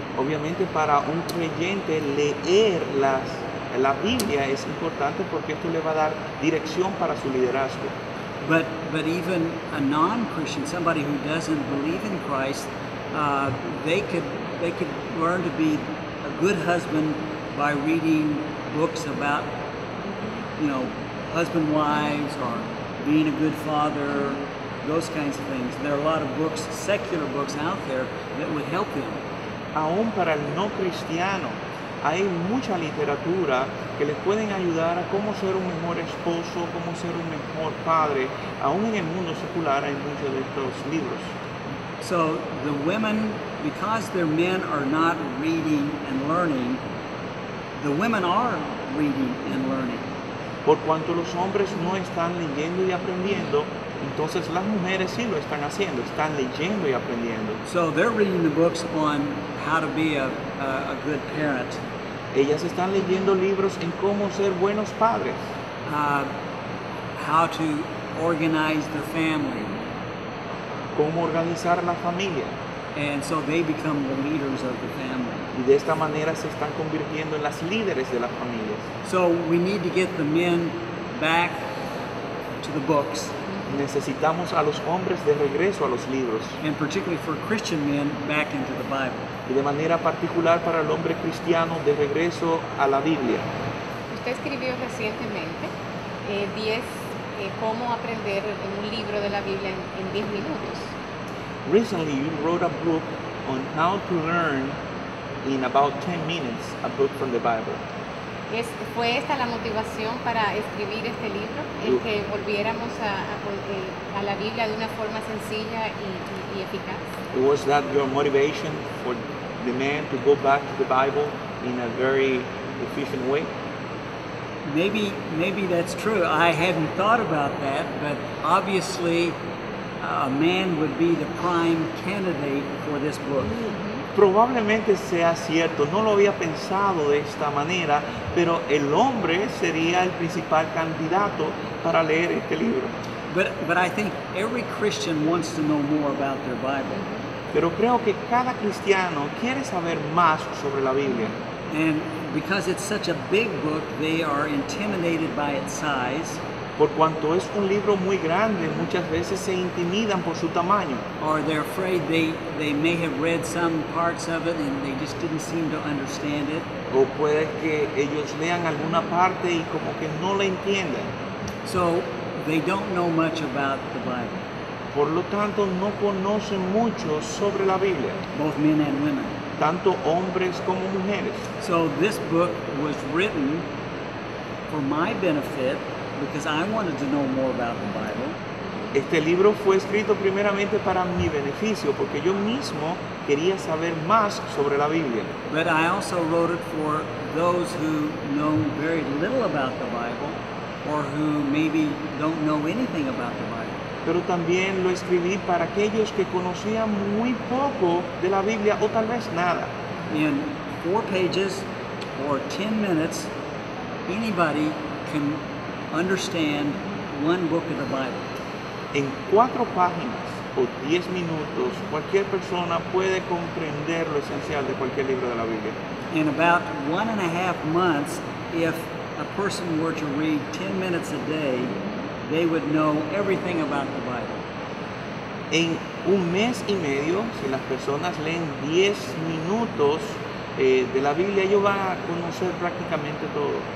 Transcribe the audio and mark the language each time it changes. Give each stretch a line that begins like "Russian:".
Spanish: Obviamente para un creyente leer la Biblia es importante porque esto le va a dar dirección para su liderazgo.
English: But even a non-Christian, somebody who doesn't believe in Christ, they could learn to be a good husband by reading books about, husband wives or being a good father, those kinds of things. There are a lot of books, secular books out there that would help him.
Spanish: Aún para el no cristiano, hay mucha literatura que les pueden ayudar a cómo ser un mejor esposo, cómo ser un mejor padre. Aún en el mundo secular hay muchos de estos libros.
English: So the women, because their men are not reading and learning, the women are reading and learning.
Spanish: Por cuanto los hombres no están leyendo y aprendiendo, entonces las mujeres sí lo están haciendo, están leyendo y aprendiendo.
English: So they're reading the books on how to be a good parent.
Spanish: Ellas están leyendo libros en cómo ser buenos padres.
English: How to organize the family.
Spanish: Cómo organizar la familia.
English: And so they become the leaders of the family.
Spanish: Y de esta manera se están convirtiendo en las líderes de las familias.
English: So we need to get the men back to the books.
Spanish: Necesitamos a los hombres de regreso a los libros.
English: And particularly for Christian men, back into the Bible.
Spanish: Y de manera particular para el hombre cristiano, de regreso a la Biblia. Usted escribió recientemente 10 cómo aprender en un libro de la Biblia en 10 minutos.
English: Recently you wrote a book on how to learn in about 10 minutes a book from the Bible.
Spanish: ¿Fue esta la motivación para escribir este libro? ¿El que volviéramos a la Biblia de una forma sencilla y eficaz?
English: Was that your motivation for the man to go back to the Bible in a very efficient way? Maybe that's true. I hadn't thought about that, but obviously a man would be the prime candidate for this book.
Spanish: Probablemente sea cierto, no lo había pensado de esta manera, pero el hombre sería el principal candidato para leer este libro.
English: But I think every Christian wants to know more about their Bible.
Spanish: Pero creo que cada cristiano quiere saber más sobre la Biblia.
English: And because it's such a big book, they are intimidated by its size.
Spanish: Por cuanto es un libro muy grande, muchas veces se intimidan por su tamaño.
English: Or they're afraid they may have read some parts of it and they just didn't seem to understand it.
Spanish: O puede que ellos lean alguna parte y como que no la entiendan.
English: So they don't know much about the Bible.
Spanish: Por lo tanto, no conocen mucho sobre la Biblia.
English: Both men and women.
Spanish: Tanto hombres como mujeres.
English: So this book was written for my benefit, because I wanted to know more about the Bible.
Spanish: Este libro fue escrito primeramente para mi beneficio, porque yo mismo quería saber más sobre la Biblia.
English: But I also wrote it for those who know very little about the Bible, or who maybe don't know anything about the Bible.
Spanish: Pero también lo escribí para aquellos que conocían muy poco de la Biblia, o tal vez nada.
English: In 4 pages or 10 minutes, anybody can understand one book of the Bible.
Spanish: En 4 páginas o 10 minutos, cualquier persona puede comprender lo esencial de cualquier libro de la Biblia.
English: In about 1.5 months, if a person were to read 10 minutes a day, they would know everything about the Bible.
Spanish: En un mes y medio, si las personas leen 10 minutos de la Biblia, ellos van a conocer prácticamente todo.